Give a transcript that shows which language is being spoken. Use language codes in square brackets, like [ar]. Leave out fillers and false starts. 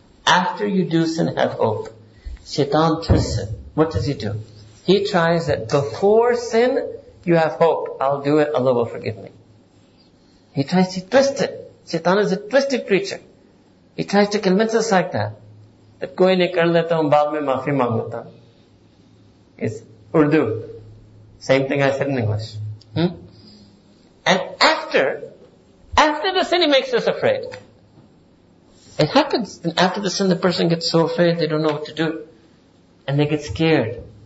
[en] After you do sin, have hope. Shaitan twists it. What does he do? He tries that before sin, you have hope. I'll do it, Allah will forgive me. He tries to twist it. Shaitan is a twisted creature. He tries to convince us like that. [ur] That کوئی نہیں کر لیتا ہوں، بعد میں معافی مانگ لیتا۔ [en] It's Urdu. Same thing I said in English. And after the sin, he makes us afraid. It happens. And after the sin, the person gets so afraid, they don't know what to do. And they get scared.